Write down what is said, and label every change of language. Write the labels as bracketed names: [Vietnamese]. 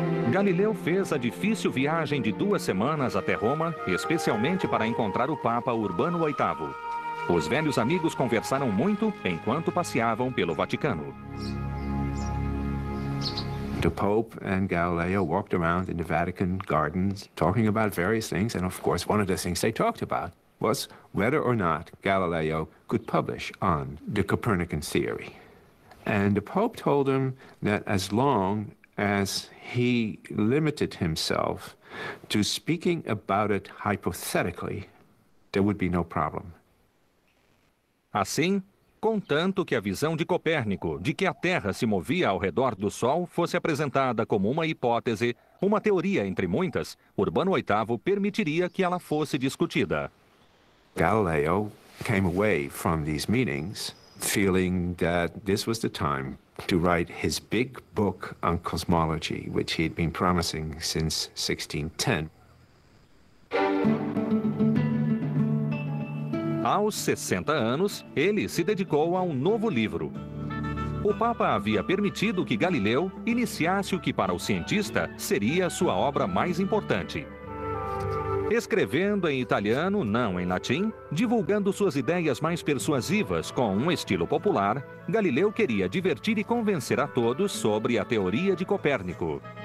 [Portuguese] Galileu fez a difícil viagem de 2 semanas até Roma, especialmente para encontrar o Papa Urbano VIII. Os velhos amigos conversaram muito enquanto passeavam pelo Vaticano. [English] The Pope and Galileo walked around in the Vatican gardens talking about various things, and of course one of the things they talked about was whether or not Galileo could publish on the Copernican theory. And the Pope told him that as long as he limited himself to speaking about it hypothetically, there would be no problem. [Portuguese] Assim, contanto que a visão de Copérnico de que a Terra se movia ao redor do Sol fosse apresentada como uma hipótese, uma teoria entre muitas, Urbano VIII permitiria que ela fosse discutida. [English] Galileo came away from these meetings feeling that this was the time to write his big book on cosmology, which he'd been promising since 1610. [Portuguese] Aos 60 anos, ele se dedicou a um novo livro. O Papa havia permitido que Galileu iniciasse o que para o cientista seria sua obra mais importante. Escrevendo em italiano, não em latim, divulgando suas ideias mais persuasivas com um estilo popular, Galileu queria divertir e convencer a todos sobre a teoria de Copérnico.